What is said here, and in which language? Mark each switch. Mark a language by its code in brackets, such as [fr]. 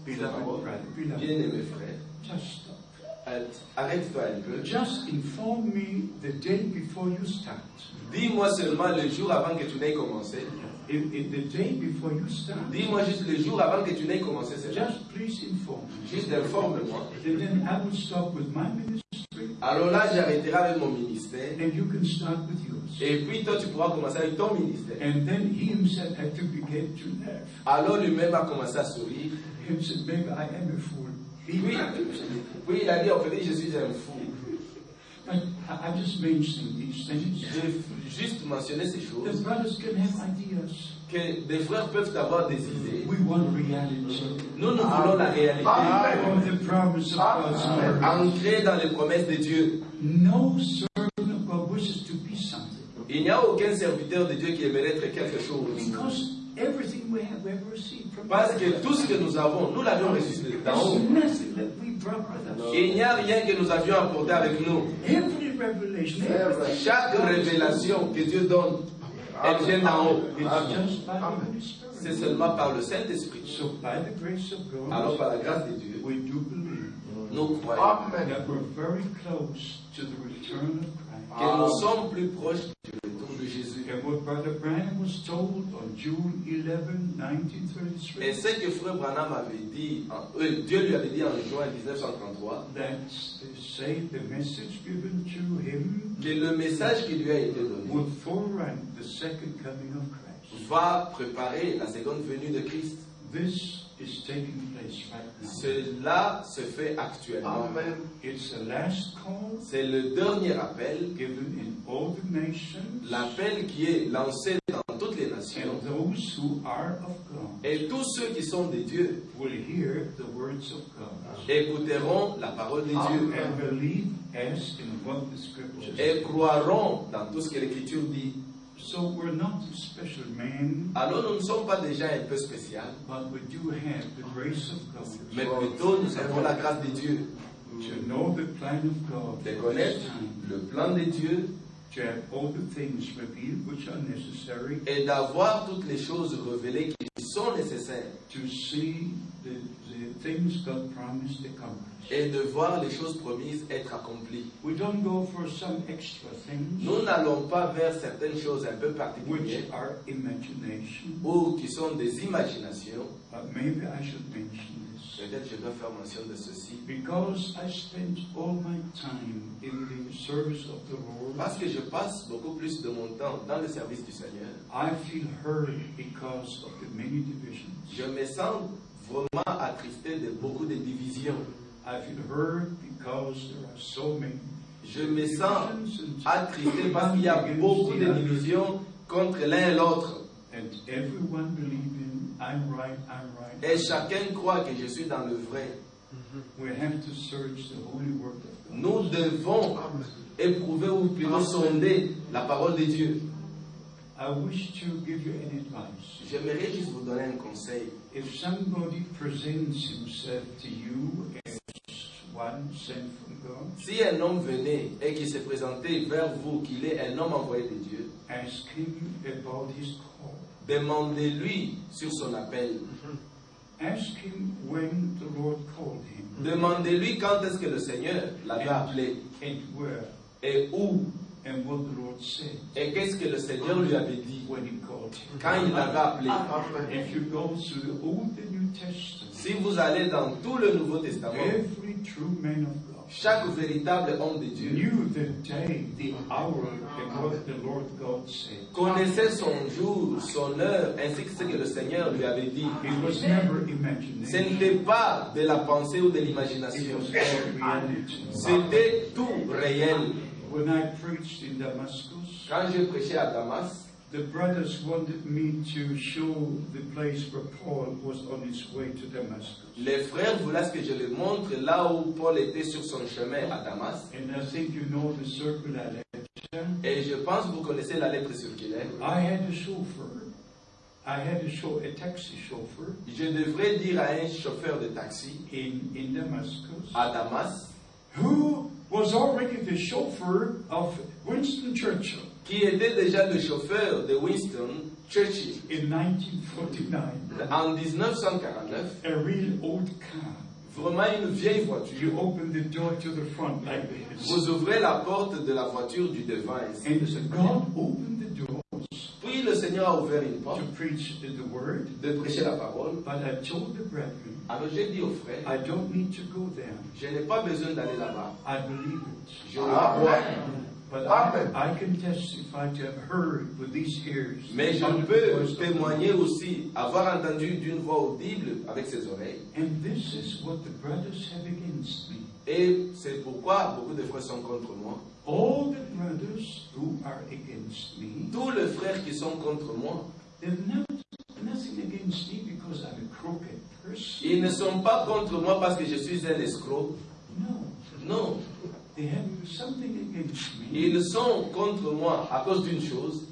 [fr] Bien-aimé frère. [en] Just stop. [fr] Arrête-toi un peu. [en] Just inform me the day before you start. [fr] Dis-moi seulement le jour avant que tu n'aies commencé. [en] In the day before you start. [fr] Dis-moi juste le jour avant que tu n'aies commencé. [en] Just please inform me. [fr] Juste informe-moi. [en] And then I will stop with my ministry. [fr] Alors là, j'arrêterai avec mon ministère. [en] And you can start with yours. [fr] Et puis toi, tu pourras commencer avec ton ministère. [en] And then he himself had to begin to laugh. [fr] Alors lui-même a commencé à sourire. [en] He said, "Maybe I am a fool." [fr] Oui, il a dit, en fait, je suis un fou. [en] I just mentioned these things. [fr] J'ai juste mentionné ces choses. [en] The brothers can have ideas. [fr] Que des frères peuvent avoir des idées. [en] We want reality. [fr] Nous voulons la réalité. [en] The promise of God's word. [fr] Ancrée dans les promesses de Dieu. [en] No servant of God wishes to be something. [fr] Il n'y a aucun serviteur de Dieu qui aimerait être quelque chose. [en] Because everything we have ever received from [fr] parce que tout ce que nous avons, nous l'avions reçu d'en haut. [en] There's nothing that we brought with us. [fr] Il n'y a rien que nous avions apporté avec nous. [en] Every revelation, [fr] chaque révélation que Dieu donne, Elle vient d'en haut. [en] Amen. [fr] C'est seulement par le Saint-Esprit. [en] So by the grace of God, [fr] alors par la grâce de Dieu, [en] we do believe, [fr] nous croyons [en] that we're very close to the return of Christ. [fr] Que nous sommes plus proches du retour de Jésus. [en] And what Brother Branham was told on June 11, 1933. [fr] Et ce que Frère Branham avait dit, Dieu lui avait dit en juin 1933, que le message qui lui a été donné [en] would forerun the second coming of Christ. [fr] Va préparer la seconde venue de Christ. [en] This is taking place right now. [fr] Cela se fait actuellement. [en] Amen. It's the last call. [fr] C'est le dernier appel. [en] Given in all the nations. [fr] L'appel qui est lancé dans toutes les nations. [en] And those who are of God. [fr] Et tous ceux qui sont de Dieu. [en] Will hear the words of God. [fr] Écouteront la parole de Dieu. [en] And believe as in what the scriptures. [fr] Et croiront dans tout ce que l'Écriture dit. [en] So we're not a special man. [fr] Alors nous ne sommes pas déjà un peu spécial. [en] But we do have the grace of God. [fr] Mais plutôt nous avons la grâce de Dieu. [en] To know the plan of God. [fr] De connaître le plan de Dieu. [en] To have all the things revealed which are necessary. [fr] Et d'avoir toutes les choses révélées qui sont nécessaires. [en] To see the things God promised to accomplish. [fr] Et de voir les choses promises être accomplies. [en] We don't go for some extra things. [fr] Nous n'allons pas vers certaines choses un peu particulières. [en] Which are imagination. [fr] Ou qui sont des imaginations. [en] But maybe I should mention. [fr] Peut-être je dois faire mention de ceci. [en] Because I spend all my time in the service of the Lord. [fr] Parce que je passe beaucoup plus de mon temps dans le service du Seigneur. [en] I feel hurt because of the many divisions. [fr] Je me sens vraiment attristé de beaucoup de divisions. [en] I feel hurt because there are so many. [fr] Je me sens attristé parce qu'il y a beaucoup de divisions contre l'un et l'autre. [en] And everyone believes. I'm right. [fr] Et chacun croit que je suis dans le vrai. [en] We have to search the holy word of God. [fr] Nous devons éprouver ou plutôt sonder la parole de Dieu. [en] I wish to give you an advice. [fr] J'aimerais juste vous donner un conseil. [en] If somebody presents himself to you as one sent from God, [fr] si un homme venait et qu'il se présentait vers vous qu'il est un homme envoyé de Dieu, [en] ask him about his call. [fr] Demandez-lui sur son appel. [en] Ask him when the Lord called him. [fr] Demandez-lui quand est-ce que le Seigneur l'avait appelé. [en] And where. [fr] Et où. [en] And what the Lord said. [fr] Et qu'est-ce que le Seigneur lui avait dit [en] when he called him. [fr] Quand il l'avait appelé. [en] If you go through all the New Testament, [fr] si vous allez dans tout le Nouveau Testament, [en] every true man of God, [fr] chaque véritable homme de Dieu [en] knew the day, the hour, and what the Lord God said. [fr] Connaissait son jour, son heure, ainsi que ce que le Seigneur lui avait dit. [en] It was never imagination. [fr] Ce n'était pas de la pensée ou de l'imagination. C'était tout réel. [en] When I preached in Damascus, [fr] quand je prêchais à Damas, [en] the brothers wanted me to show the place where Paul was on his way to Damascus. [fr] Les frères voulaient que je les montre là où Paul était sur son chemin à Damas. [en] And I think you know the circular letter. [fr] Et je pense vous connaissez la lettre circulaire. [en] I had a chauffeur. I had to show a taxi chauffeur. [fr] Je devrais dire à un chauffeur de taxi [en] in Damascus. [fr] À Damas. [en] Who was already the chauffeur of Winston Churchill. [fr] Qui était déjà le chauffeur de Winston Churchill. [en] In 1949. [fr] En 1949. [en] A real old car. [fr] Vraiment une vieille voiture. [en] You open the door to the front like this. [fr] Vous ouvrez la porte de la voiture du devant. [en] And so God opened the doors. [fr] Puis le Seigneur a ouvert une porte. [en] To preach the word. [fr] De prêcher la parole. [en] But I told the brethren. [fr] Alors j'ai dit aux frères. [en] I don't need to go there. [fr] Je n'ai pas besoin d'aller là-bas. [en] I believe it. [fr] Je le crois. [en] But I can testify to have heard with these ears. [fr] Mais je peux témoigner aussi avoir entendu d'une voix audible avec ses oreilles. [en] And this is what the brothers have against me. [fr] Et c'est pourquoi beaucoup de frères sont contre moi. [en] All the brothers who are against me. [fr] Tous les frères qui sont contre moi. [en] They're not nothing against me because I'm a crooked person. [fr] Ils ne sont pas contre moi parce que je suis un escroc. [en] No. [fr] Non. [en] They have something against me. [fr] Ils sont contre moi à cause d'une chose.